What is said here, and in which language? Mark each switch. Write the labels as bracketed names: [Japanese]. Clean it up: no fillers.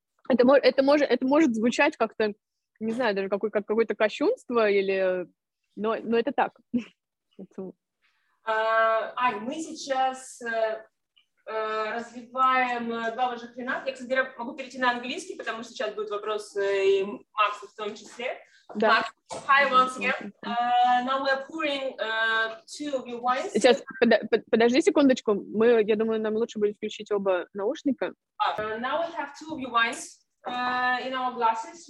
[Russian] Это может звучать как-то, не знаю, даже какое-то кощунство, но это так. Ань, мы сейчас развиваем два важных вина. Я, кстати, могу перейти на английский, потому что сейчас будет вопрос и Максу в том числе. Да. [English] Max, hi once again. Now we are pouring two of your wines. [Russian] Сейчас, подожди секундочку. Мы, я думаю, нам лучше будет включить оба наушника. [English] Now we have two of your wines in our glasses.